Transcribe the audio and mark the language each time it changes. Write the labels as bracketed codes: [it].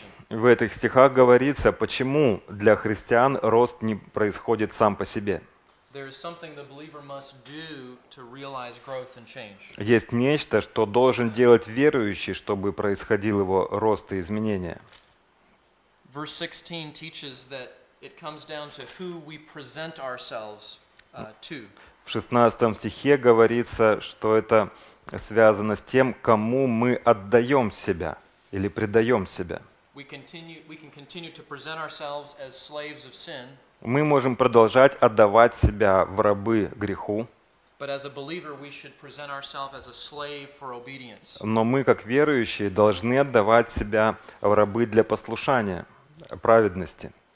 [ru] В этих стихах говорится, почему для христиан рост не происходит сам по себе. Есть нечто, что должен делать верующий, чтобы происходил его рост и изменения. [en] Verse 16 teaches that it comes down to who we present ourselves to. [ru] В 16 стихе говорится, что это связано с тем, кому мы отдаем себя или предаем себя. [en] We can continue to present ourselves as slaves of sin. [ru] Мы можем продолжать отдавать себя в рабы греху. [en] But as a believer, we should present ourselves as a slave for obedience. [ru] Но мы, как верующие, должны отдавать себя в рабы для послушания. Праведности.